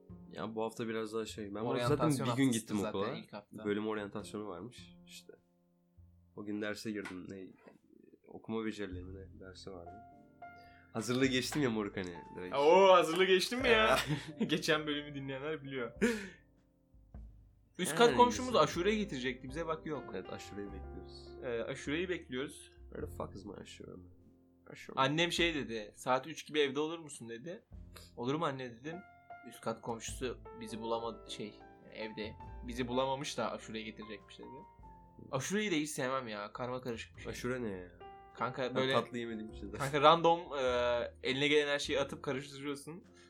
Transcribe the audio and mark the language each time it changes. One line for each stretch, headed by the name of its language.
Turkish: Ya bu hafta biraz daha şey. Ben zaten bir gün gittim okula. Bölüm oryantasyonu varmış. İşte. O gün derse girdim. Ne, okuma becerilerimi ne dersi vardı. Hazırlığı geçtim ya moruk hani. Direkt. Oo, hazırlığı geçtim mi ya? Geçen bölümü dinleyenler biliyor. Üst kat komşumuz aşureye getirecekti. Bize bak yok. Evet, aşureyi bekliyoruz. Aşureyi bekliyoruz.
English: Where the fuck is my aşure?
Turkish: Annem şey dedi. Saat 3 gibi evde olur musun dedi. Olurum anne dedim. Üst kat komşusu bizi bulamadı şey. Evde. Bizi bulamamış da aşureyi getirecekmiş dedi. Aşureyi de hiç sevmem ya. Karma karışık bir şey. Aşure ne ya? Kanka böyle tatlı yemediğim şeydir. Kanka random eline gelen her şeyi atıp karıştırıyorsun.